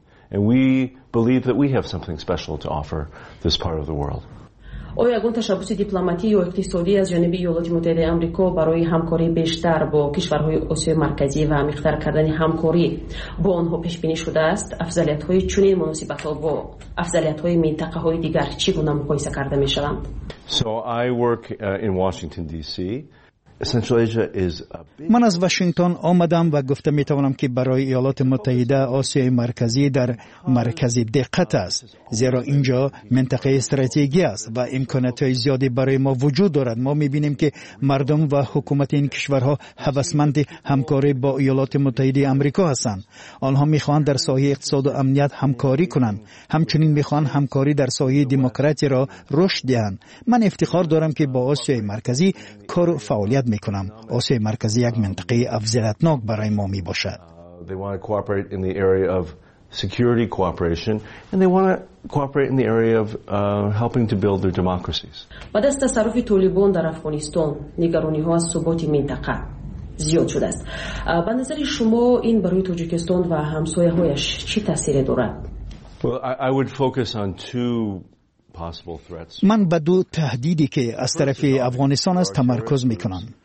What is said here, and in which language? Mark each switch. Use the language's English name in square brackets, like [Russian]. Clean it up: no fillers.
[English] And we believe that we have something special to offer this part of the world. [Persian] آیا گونه تشابهی دیپلماتیک و اقتصادی از جانب ایالات متحده آمریکا برای همکاری بیشتر با کشورهای آسیای مرکزی و عمیق‌تر کردن همکاری با آنها پیش بینی شده است؟ افضلیت‌های چنین مناسبت‌ها با افضلیت‌های منطقه‌های دیگر چگونه مقایسه کرده می‌شوند؟ [English] So I work in Washington DC. Central Asia is a big. [Persian] من از واشنگتن آمدم و گفتم می توانم که برای ایالات متحده آسیای مرکزی در مرکز دقت است، زیرا اینجا منطقه استراتژی است و امکانات زیادی برای ما وجود دارد. ما می بینیم که مردم و حکومت این کشورها هوسمند همکاری با ایالات متحده آمریکا هستند. آنها می خواهند در سایه اقتصاد و امنیت همکاری کنند، همچنین می خواهند همکاری در سایه دموکراسی را رشد دهند. من افتخار دارم که با آسیای مرکزی کار و فعالیت میکنم. آسیای مرکزی یک منطقه افضلیتناک برای ما می باشد. [English] They want to cooperate in the area of security cooperation and they want to cooperate in the area of helping to build their democracies. [Persian] بعد از تصرف طالبان در افغانستان، نگرانی‌ها از ثبات منطقه زیاد شده است. به نظر شما این برای تاجیکستان و همسایه‌هایش چه تأثیری دارد؟ [English] I would focus on two. [Persian] من به دو تهدیدی که از طرف افغانستان است تمرکز میکنم.